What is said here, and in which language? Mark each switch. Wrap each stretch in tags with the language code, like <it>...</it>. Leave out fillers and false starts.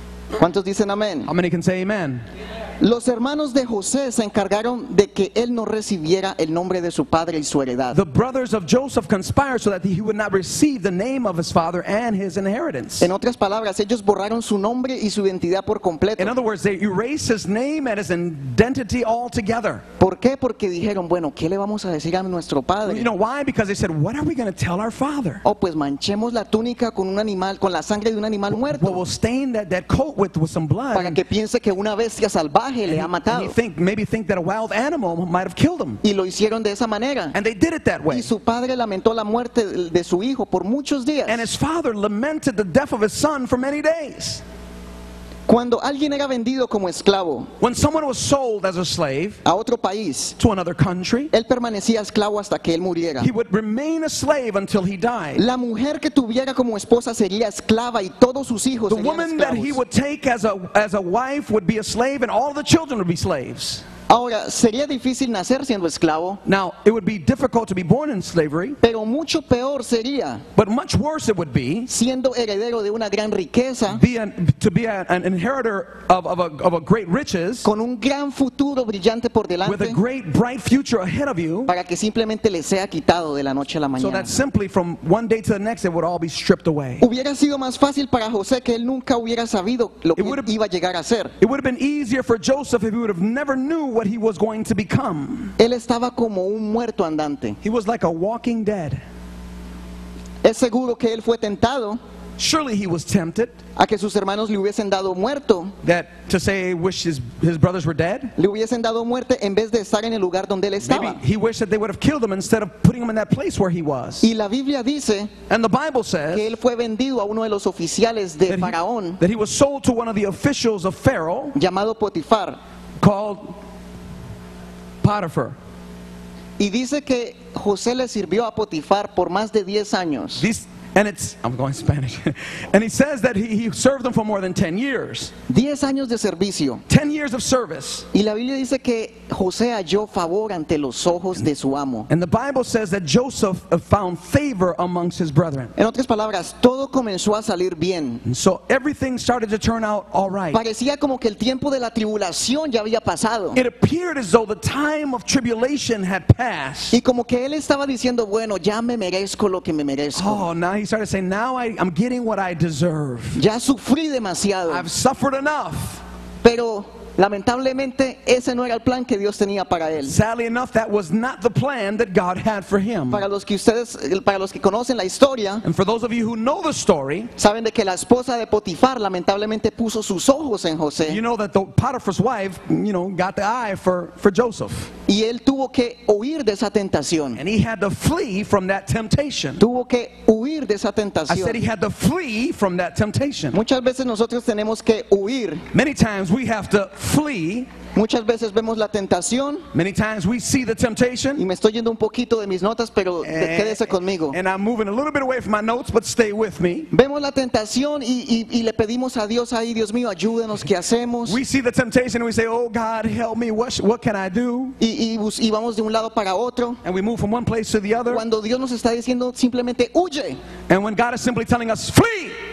<es>¿Cuántos dicen amén?</es> <en>How many can say amen?</en> <es>Los hermanos de José se encargaron de que él no recibiera el nombre de su padre y su heredad.</es> <en>The brothers of Joseph conspired so that he would not receive the name of his father and his inheritance.</en> <es>En otras palabras, ellos borraron su nombre y su identidad por completo.</es> <en>In other words, they erased his name and his identity altogether.</en> <es>¿Por qué? Porque dijeron, bueno, ¿qué le vamos a decir a nuestro padre?</es> <en>You know why? Because they said, what are we going to tell our father?</en> <es>Oh, pues manchemos la túnica con un animal, con la sangre de un animal muerto.</es> <en>Well, we'll stain that coat with some blood.</en> <es>Para que piense que una bestia salvaje.</es> <en>And you think maybe think that a wild animal might have killed him.</en> <es>Y lo hicieron de esa manera.</es> <en>And they did it that way.</en> <es>Y su padre lamentó la muerte de su hijo por muchos días.</es> <en>And his father lamented the death of his son for many days.</en> <es>Cuando alguien era vendido como esclavo,</es> <en>when someone was sold as a slave</en> <es>a otro país,</es> <en>to another country,</en> <es>él permanecía esclavo hasta que él muriera.</es> <en>He would remain a slave until he died.</en> <es>La mujer que tuviera como esposa sería esclava y todos sus hijos serían esclavos.</es> <en>The woman that he would take as a wife would be a slave and all the children would be slaves.</en> <es>Ahora, sería difícil nacer siendo esclavo.</es> <en>Now, it would be difficult to be born in slavery.</en> <es>Pero mucho peor sería.</es> <en>But much worse it would be.</en> <es>Siendo heredero de una gran riqueza.</es> <en>To be an inheritor of a great riches.</en> <es>Con un gran futuro brillante por delante.</es> <en>With a great bright future ahead of you.</en> <es>Para que simplemente le sea quitado de la noche a la mañana.</es> <en>So that simply from one day to the next it would all be stripped away.</en> <es>Hubiera sido más fácil para José que él nunca hubiera sabido lo que iba a llegar a ser.</es> <en>It would have been easier for Joseph if he would have never knew what he was going to become.</en> <es>Él estaba como un muerto andante.</es> <en>He was like a walking dead.</en> <es>Es seguro que él fue tentado.</es> <en>Surely he was tempted.</en> <es>A que sus hermanos le hubiesen dado muerto.</es> <en>That to say wish his brothers were dead.</en> <es>Le hubiesen dado muerte en vez de estar en el lugar donde él estaba.</es> <en>Maybe he wished that they would have killed him instead of putting him in that place where he was.</en> <es>Y la Biblia dice.</es> <en>And the Bible says.</en> <es>Que él fue vendido a uno de los oficiales de Faraón.</es> <en>That he was sold to one of the officials of Pharaoh.</en> <es>Llamado Potifar.</es> <en>Called Potiphar.</en> <es>Y dice que José le sirvió a Potifar por más de 10 años.</es> <en>I'm going Spanish. And he says that he served them for more than 10 years.</en> <es>10 años de servicio.</es> <en>10 years of service.</en> <es>Y la Biblia dice que José halló favor ante los ojos de su amo.</es> <en>And the Bible says that Joseph found favor amongst his brethren.</en> <es>En otras palabras, todo comenzó a salir bien.</es> <en>And so everything started to turn out all right.</en> <es>Parecía como que el tiempo de la tribulación ya había pasado.</es> <en>It appeared as though the time of tribulation had passed.</en> <es>Y como que él estaba diciendo, bueno, ya me merezco lo que me merezco.</es> <en>Oh, now he started saying, "Now I'm getting what I deserve.</en> <es>Ya sufrí demasiado.</es> <en>I've suffered enough."</en> <es>Pero lamentablemente ese no era el plan que Dios tenía para él.</es> <en>Sadly enough, that was not the plan that God had for him.</en> <es>Para los que conocen la historia,</es> <en>and for those of you who know the story,</en> <es>saben de que la esposa de Potifar lamentablemente puso sus ojos en José.</es> <en>You know that the Potiphar's wife, you know, got the eye for Joseph.</en> <es>Y él tuvo que huir de esa tentación.</es> <en>And he had to flee from that temptation.</en> <es>Tuvo que huir de esa tentación.</es> <en>I said he had to flee from that temptation.</en> <es>Muchas veces nosotros tenemos que huir.</es> <en>Many times we have to flee.</en> <es>Muchas veces vemos la tentación.</es> <en>Many times we see the temptation.</en> <es>Y me estoy yendo un poquito de mis notas, pero quédese conmigo.</es> <en>And I'm moving a little bit away from my notes, but stay with me.</en> <es>Vemos la tentación y le pedimos a Dios ahí, Dios mío, ayúdenos, ¿qué hacemos?</es> <en>We see the temptation and we say, "Oh God, help me. What can I do?"</en> <es>Y vamos de un lado para otro.</es> <en>And we move from one place to the other.</en> <es>Cuando Dios nos está diciendo simplemente huye.</es> <en>And when God is simply telling us, "Flee."</en>